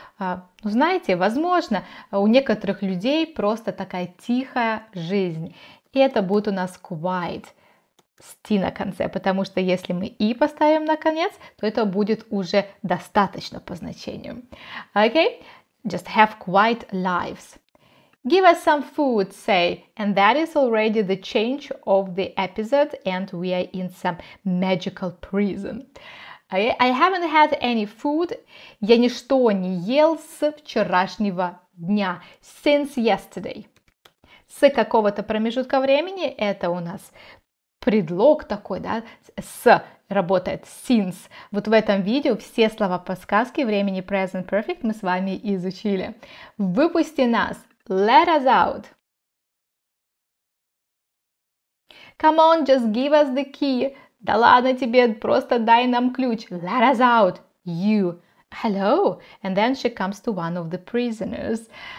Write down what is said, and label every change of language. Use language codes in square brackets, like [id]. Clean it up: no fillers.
[ru] Ну, знаете, возможно, у некоторых людей просто такая тихая жизнь. И это будет у нас quiet с T на конце, потому что если мы и поставим на конец, то это будет уже достаточно по значению. [en] Okay, just have quiet lives. Give us some food, say, and that is already the change of the episode, and we are in some magical prison. I haven't had any food, [ru] я ничто не ел с вчерашнего дня, [en] since yesterday. [ru] С какого-то промежутка времени, это у нас предлог такой, да, с работает, since. Вот в этом видео все слова подсказки времени present perfect мы с вами изучили. Выпусти нас, [en] let us out. Come on, just give us the key. [ru] Да ладно тебе, просто дай нам ключ. [en] Let us out, you. Hello. And then she comes to one of the prisoners.